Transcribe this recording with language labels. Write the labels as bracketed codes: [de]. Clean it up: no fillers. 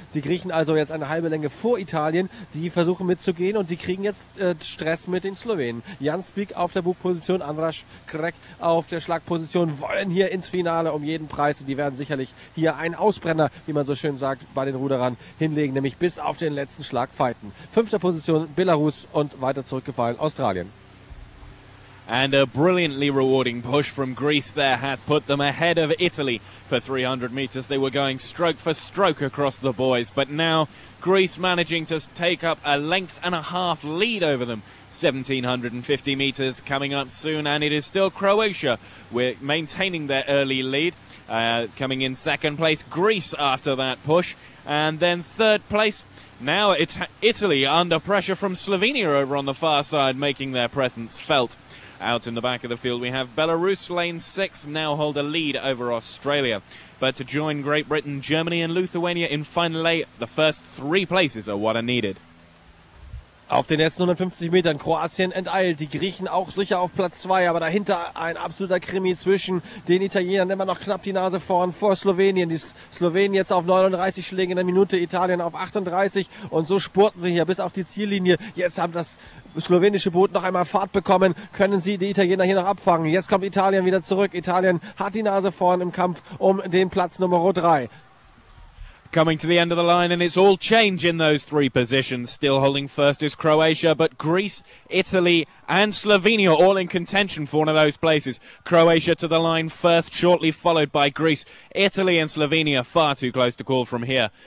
[de] Die Griechen also jetzt eine halbe Länge vor Italien, die versuchen mitzugehen, und die kriegen jetzt Stress mit den Slowenen. Jan Spiek auf der Bugposition, Andras Krek auf der Schlagposition, wollen hier ins Finale um jeden Preis. Die werden sicherlich hier einen Ausbrenner, wie man so schön sagt, bei den Ruderern hinlegen, nämlich bis auf den letzten Schlag fighten. Fünfter Position Belarus und weiter zurückgefallen Australien. [en] And a brilliantly rewarding push from Greece there has put them ahead of Italy for 300 meters. They were going stroke for stroke across the boys, but now Greece managing to take up a length and a half lead over them. 1750 meters coming up soon, and it is still Croatia with maintaining their early lead, coming in second place Greece after that push, and then third place. Now it's Italy under pressure from Slovenia over on the far side, making their presence felt. Out in the back of the field we have Belarus, lane 6, now hold a lead over Australia. But to join Great Britain, Germany and Lithuania in final 8, the first three places are what are needed. [de] Auf den letzten 150 Metern Kroatien enteilt, die Griechen auch sicher auf Platz 2, aber dahinter ein absoluter Krimi zwischen den Italienern, immer noch knapp die Nase vorn vor Slowenien. Die Slowenen jetzt auf 39 Schläge in der Minute, Italien auf 38, und so spurten sie hier bis auf die Ziellinie. Jetzt haben das slowenische Boot noch einmal Fahrt bekommen, können sie die Italiener hier noch abfangen. Jetzt kommt Italien wieder zurück, Italien hat die Nase vorn im Kampf um den Platz Nummer 3. [en] Coming to the end of the line, and it's all change in those three positions. Still holding first is Croatia, but Greece, Italy and Slovenia all in contention for one of those places. Croatia to the line first, shortly followed by Greece. Italy and Slovenia far too close to call from here.